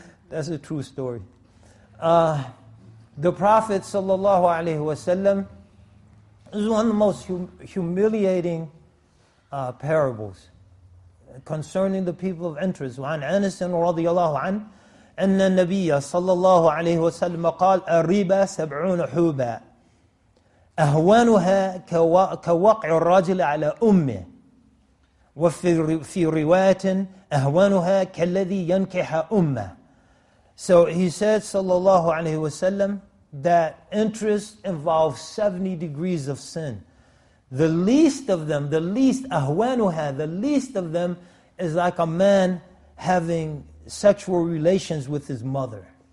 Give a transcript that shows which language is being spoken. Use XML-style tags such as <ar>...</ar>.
<en>That's a true story. The Prophet</en> <ar>sallallahu alaihi wasallam</ar> <en>is one of the most humiliating parables concerning the people of interest.</en> <ar>وعن أنس رضي الله عنه أن النبي صلى الله عليه وسلم قال الربا سبعون حوبا أهوانها كوقع الرجل على أمه وفي رواية أهوانها كالذي ينكح أمه.</ar> <en>So he said</en> <ar>صلى الله عليه وسلم</ar> <en>that interest involves 70 degrees of sin. The least of them, the least, ahwanuha, the least of them is like a man having sexual relations with his mother.</en>